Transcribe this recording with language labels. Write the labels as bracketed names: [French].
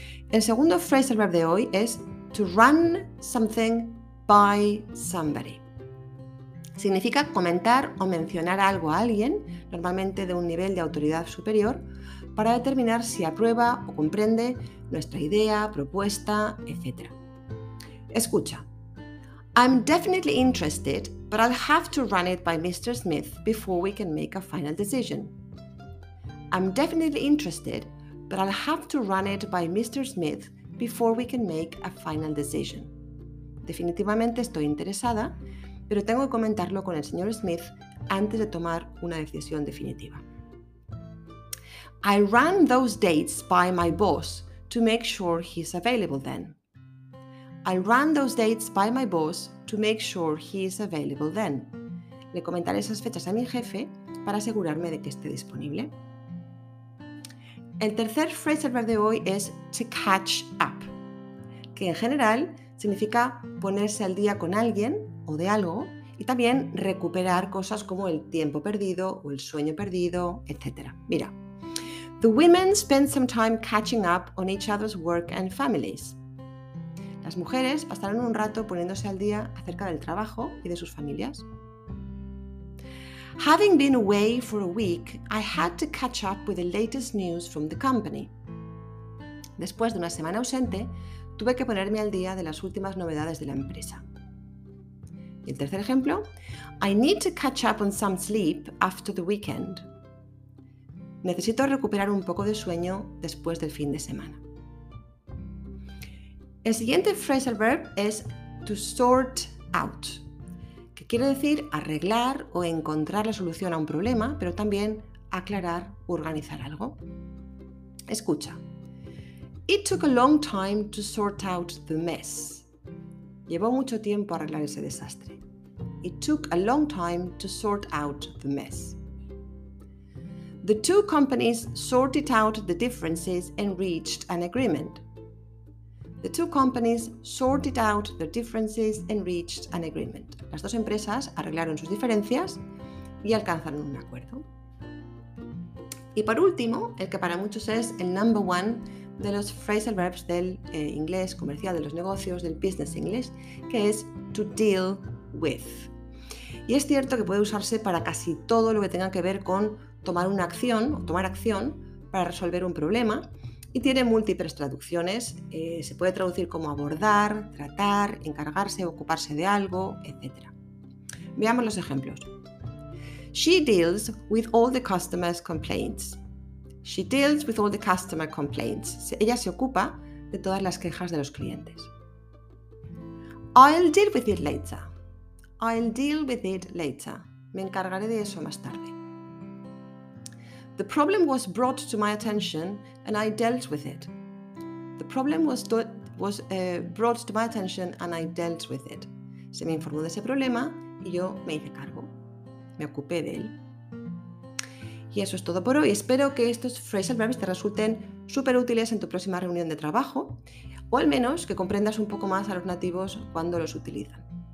[Spanish] El segundo phrasal verb de hoy es [English] to run something by somebody. [Spanish] Significa comentar o mencionar algo a alguien, normalmente de un nivel de autoridad superior, para determinar si aprueba o comprende nuestra idea, propuesta, etc. Escucha. [English] I'm definitely interested, but I'll have to run it by Mr. Smith before we can make a final decision. I'm definitely interested, but I'll have to run it by Mr. Smith before we can make a final decision. [Spanish] Definitivamente estoy interesada, pero tengo que comentarlo con el señor Smith antes de tomar una decisión definitiva. [English] I ran those dates by my boss to make sure he's available then. I ran those dates by my boss to make sure he's available then. [Spanish] Le comentaré esas fechas a mi jefe para asegurarme de que esté disponible. El tercer phrasal verb de hoy es [English] to catch up, [Spanish] que en general significa ponerse al día con alguien o de algo, y también recuperar cosas como el tiempo perdido o el sueño perdido, etc. Mira, [English] the women spend some time catching up on each other's work and families. [Spanish] Las mujeres pasaron un rato poniéndose al día acerca del trabajo y de sus familias. [English] Having been away for a week, I had to catch up with the latest news from the company. [Spanish] Después de una semana ausente, tuve que ponerme al día de las últimas novedades de la empresa. El tercer ejemplo, [English] I need to catch up on some sleep after the weekend. [Spanish] Necesito recuperar un poco de sueño después del fin de semana. El siguiente phrasal verb es [English] to sort out, [Spanish] que quiere decir arreglar o encontrar la solución a un problema, pero también aclarar o organizar algo. Escucha, [English] it took a long time to sort out the mess. [Spanish] Llevó mucho tiempo arreglar ese desastre. [English] It took a long time to sort out the mess. The two companies sorted out the differences and reached an agreement. The two companies sorted out the differences and reached an agreement. [Spanish] Las dos empresas arreglaron sus diferencias y alcanzaron un acuerdo. Y por último, el que para muchos es el number one de los phrasal verbs del inglés comercial, de los negocios, del business English, que es [English] to deal with. [Spanish] Y es cierto que puede usarse para casi todo lo que tenga que ver con tomar una acción o tomar acción para resolver un problema, y tiene múltiples traducciones. Se puede traducir como abordar, tratar, encargarse, ocuparse de algo, etc. Veamos los ejemplos. [English] She deals with all the customers' complaints. She deals with all the customer complaints. [Spanish] Ella se ocupa de todas las quejas de los clientes. [English] I'll deal with it later. I'll deal with it later. [Spanish] Me encargaré de eso más tarde. [English] The problem was brought to my attention and I dealt with it. The problem was brought to my attention and I dealt with it. [Spanish] Se me informó de ese problema y yo me hice cargo. Me ocupé de él. Y eso es todo por hoy. Espero que estos phrasal verbs te resulten súper útiles en tu próxima reunión de trabajo o al menos que comprendas un poco más a los nativos cuando los utilizan.